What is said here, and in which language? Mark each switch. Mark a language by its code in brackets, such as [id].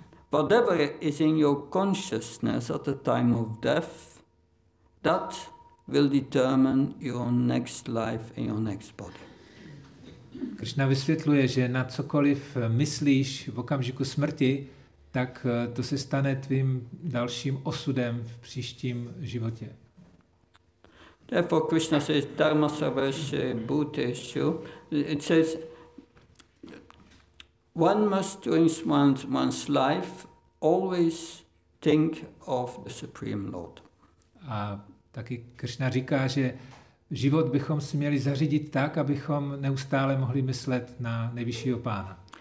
[en] Whatever is in your consciousness at the time of death, that will determine your next life and your next body. [cs] Krishna vysvětluje, že na cokoliv myslíš v okamžiku smrti, tak to se stane tvým dalším osudem v příštím životě. [en] Therefore Krishna says [sa] dharma sarvasya bhuteshu. [en] It says one must during one's life always think of the Supreme Lord. [cs] A taky Krishna říká, že život bychom si měli zařídit tak, abychom neustále mohli myslet na nejvyššího pána.